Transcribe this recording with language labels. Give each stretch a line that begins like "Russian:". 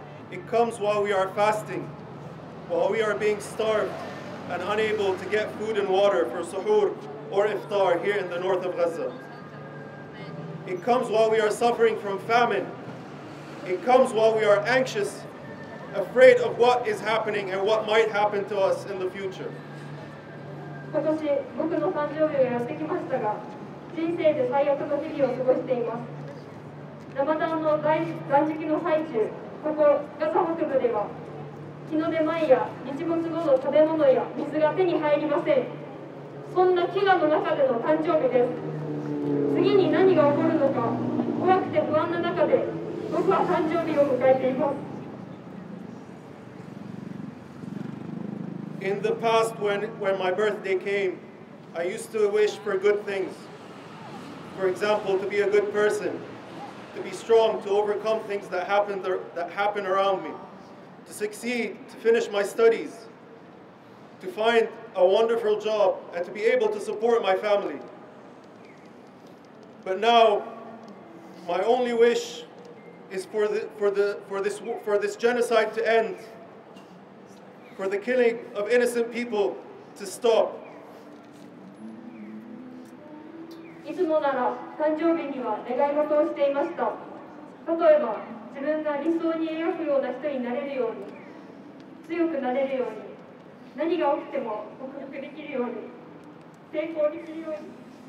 English: It comes while we are fasting, while we are being starved and unable to get food and water for suhoor or iftar here in the north of Gaza. It comes while we are suffering from famine. It comes while we are anxious, afraid of what is happening and what might happen to us in the future.
Japanese: 今年、僕の誕生日をやってきましたが、人生で最悪の日々を過ごしています。ラマダンの断食の最中、ここガザ北部では、日の出前や日没後の食べ物や水が手に入りません。そんな飢餓の中での誕生日です。次に何が起こるのか怖くて不安な中で僕は誕生日を迎えています。
English: In the past, when my birthday came, I used to wish for good things. For example, to be a good person, to be strong, to overcome things that happen around me, to succeed, to finish my studies, to find a wonderful job, and to be able to support my family. But now, my only wish is for this genocide to end, for the killing of innocent people to stop,
Japanese: つもなら誕生日には願い事をしていました。例えば自分が理想に描くような人になれるように、強くなれるように、何が起きても克服できるように、成功できるように。